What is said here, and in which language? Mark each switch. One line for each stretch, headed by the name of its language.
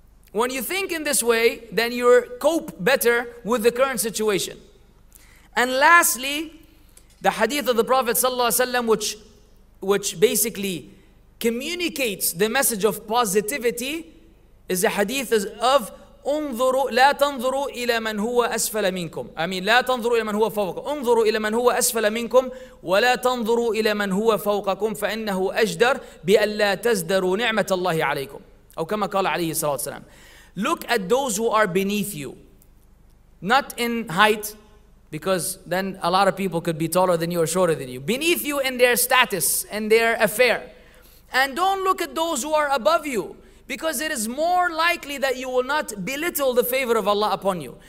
English: When you think in this way, then you cope better with the current situation. And lastly, the hadith of the Prophet sallallahu alaihi wasallam, which basically communicates the message of positivity, is the hadith of
Arabic: انظروا لا تنظروا إلى من هو أسفل منكم.
English: I mean,
Arabic: لا تنظروا إلى من هو فوقكم. انظروا إلى من هو أسفل منكم ولا تنظروا إلى من هو فوقكم فإنه أجدر بألا تزدروا نعمة الله عليكم. أو كما قال عليه الصلاة والسلام.
English: Look at those who are beneath you, not in height, because then a lot of people could be taller than you or shorter than you. Beneath you in their status, in their affair. And don't look at those who are above you, because it is more likely that you will not belittle the favor of Allah upon you.